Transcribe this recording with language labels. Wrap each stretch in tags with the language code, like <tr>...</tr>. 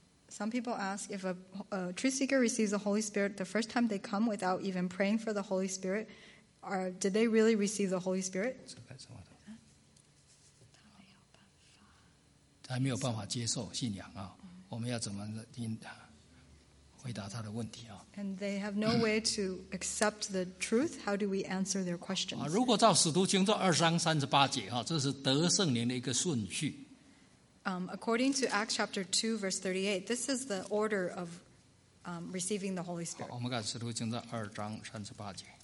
<en>Some people ask if a truth seeker receives the Holy Spirit the first time they come without even praying for the Holy Spirit or did they really receive the Holy Spirit?</en> <zh>还没有办法接受信仰我们要怎么听回答他的问题</zh> <en>And they have no way to accept the truth. How do we answer their questions?</en> <zh>如果照使徒行传二章三十八节这是得圣灵的一个顺序。</zh> <en>According to Acts chapter 2 verse 38, this is the order of receiving the Holy Spirit.</en> <zh>我们看使徒行传二章三十八节。</zh>